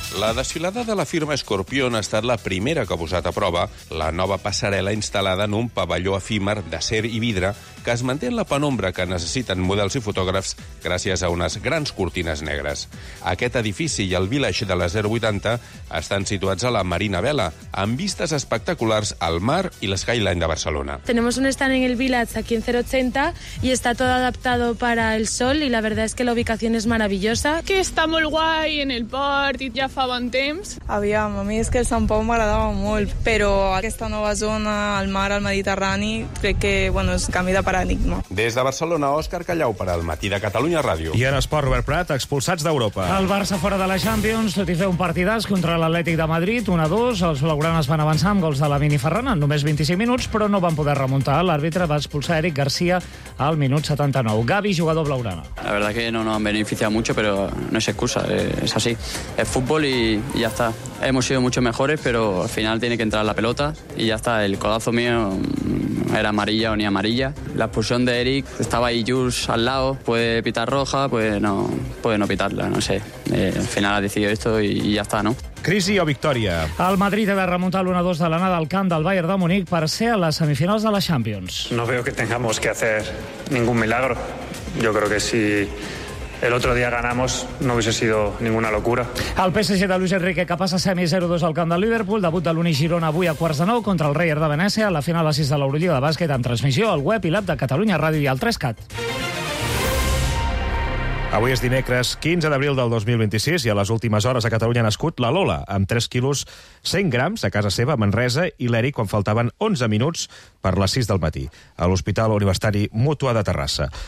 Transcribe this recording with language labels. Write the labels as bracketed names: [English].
[Catalan] La desfilada de la firma Scorpion ha estat la primera que ha posat a prova la nova passarel·la instal·lada en un pavelló efímer d'acer i vidre que es manté en la penombra que necessiten models i fotògrafs gràcies a unes grans cortines negres. Aquest edifici i el Village de la 080 estan situats a la Marina Vela, amb vistes espectaculars al mar [Spanish] Mar y la Skyline de Barcelona. Tenemos un stand en el Village aquí en 080 y está todo adaptado para el sol y la verdad es que la ubicación es maravillosa. [Catalan] Que está molt guay en el port i ja fa bon temps. Aviam, a mi és que el Sant Pau m'agradava molt, però aquesta nova zona, al mar, al Mediterrani, crec que bueno, és un canvi de paradigma. Des de Barcelona, Òscar Callau per al Matí de Catalunya Ràdio. I en esport, Robert Prat, expulsats d'Europa. El Barça fora de la Champions, tot i fer un partidàs contra l'Atlètic de Madrid, 1-2, els blaugranes van avançar amb gols de la Mini Ferrana en només 25 minuts, però no van poder remuntar. L'àrbitre va expulsar Eric García al minut 79. Gavi, jugador blaugrana. [Spanish] La verdad que no han beneficiado mucho, pero no es excusa, es así. Es fútbol y ya está. Hemos sido mucho mejores, pero al final tiene que entrar la pelota y ya está. El codazo mío era amarilla o ni amarilla. La expulsión de Eric, estaba ahí Jules al lado, puede pitar roja, puede no pitarla, no sé. Al final ha decidido esto y ya está, ¿no? [Catalan] Crisi o victòria. El Madrid ha de remuntar l'1-2 de l'anada al camp del Bayern de Múnich per ser a les semifinals de la Champions. [Spanish] No veo que tengamos que hacer ningún milagro. Yo creo que si el otro día ganamos no hubiese sido ninguna locura. [Catalan] El PSG de Luis Enrique que passa semi 0-2 al camp del Liverpool, debut de l'Uni Girona avui a 8:15 contra el Reier de Venècia, a la final a 6 de l'Eurolliga de bàsquet en transmissió al web i l'app de Catalunya Ràdio i al 3CAT. Avui és dimecres 15 d'abril del 2026 i a les últimes hores a Catalunya ha nascut la Lola, amb 3 quilos 100 grams a casa seva, a Manresa, i l'Eric quan faltaven 11 minuts per les 6 del matí a l'Hospital Universitari Mutua de Terrassa.